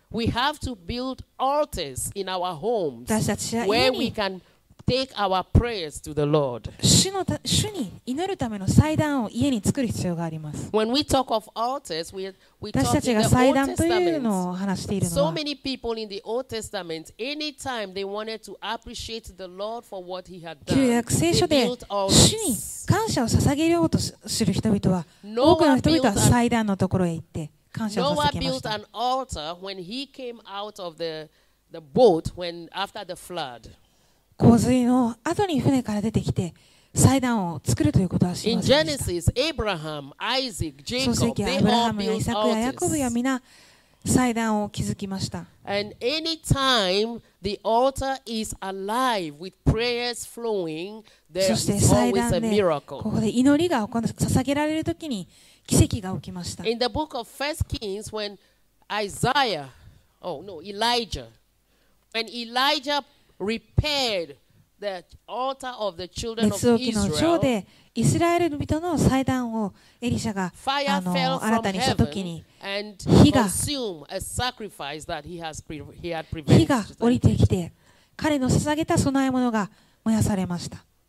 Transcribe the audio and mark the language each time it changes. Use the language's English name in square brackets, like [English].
[English] We have to build altars in our homes where we can take our prayers to the Lord. [Japanese] 主に祈るための祭壇を家に作る必要があります。 [English] When we talk of altars, we talk of the Old Testament. So many people in the Old Testament, anytime they wanted to appreciate the Lord for what He had done, they built altars. [Japanese] 旧約聖書で主に感謝を捧げようとする人々は、多くの人々は祭壇のところへ行って、 [English] Noah built an altar when he came out of the boat when after the flood. [Japanese] 洪水の後に船から出てきて祭壇を作るということはしませんでした。 [English] In Genesis, Abraham, Isaac, Jacob, they all built altars. [Japanese] 創世記、アブラハム、イサク、ヤコブや皆祭壇を築きました。 [English] And any time the altar is alive with prayers flowing, there's always a miracle. [Japanese] ここで祈りが捧げられるときに奇跡が起きました。 [English] In the book of 1 Kings, when Isaiah, oh no, Elijah, when Elijah repaired the altar of the children of Israel. [Japanese] 熱置きの帳でイスラエル人の祭壇をエリシャが新たにしたときに火が降りてきて彼の捧げた供え物が燃やされました。